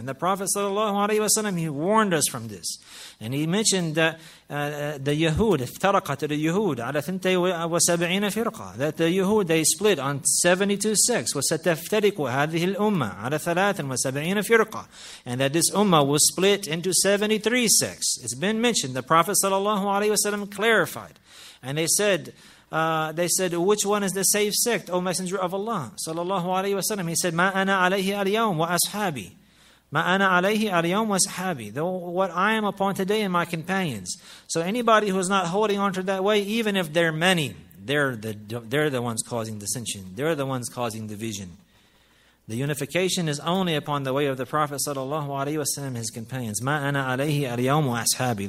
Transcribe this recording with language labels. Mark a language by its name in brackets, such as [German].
[English] And the Prophet sallallahu alaihi wasallam, he warned us from this. And he mentioned that the Yahud, [Arabic] افترقت اليهود على 72 فرقة, [English] that the Yahud, they split on 72 sects, [Arabic] وستفترق هذه الأمة على 73 فرقة, [English] and that this Ummah was split into 73 sects. It's been mentioned, the Prophet sallallahu alaihi wasallam clarified. And they said, which one is the safe sect, O Messenger of Allah, sallallahu alaihi wasallam? [Arabic] He said, ما أنا عليه اليوم وأصحابي. ما أنا عليه اليوم وأصحابي. [English] What I am upon today and my companions. So anybody who is not holding on to that way, even if they're many, they're the ones causing dissension. They're the ones causing division. The unification is only upon the way of the Prophet sallallahu alaihi wasallam, his companions. [Arabic] ما أنا عليه اليوم وأصحابي.